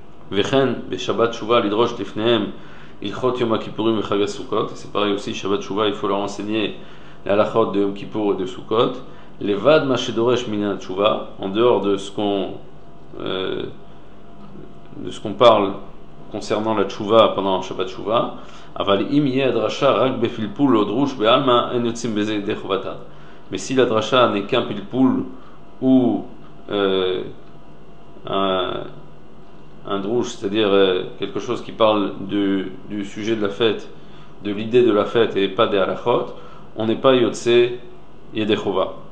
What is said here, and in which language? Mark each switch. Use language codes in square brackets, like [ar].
[he] וכן בשבת תשובה לדרוש לפניהם הלכות יום הכיפורים וחג הסוכות. [fr] C'est pareil aussi, שבת תשובה, il faut leur enseigner להלכות de יום כיפור et de סוכות. [he] לבד מה שדורש מן התשובה, [fr] en dehors de ce qu'on parle concernant la תשובה pendant שבת תשובה, [he] אבל אם יהיה הדרשה רק בפלפול או דרוש באלמה, אין יוצאים בזה ידי חובתה. [fr] Mais si la drasha n'est qu'un pilpul ou un drouche, c'est-à-dire quelque chose qui parle du sujet de la fête, de l'idée de la fête et pas des halachot, on n'est pas yotze yedechova.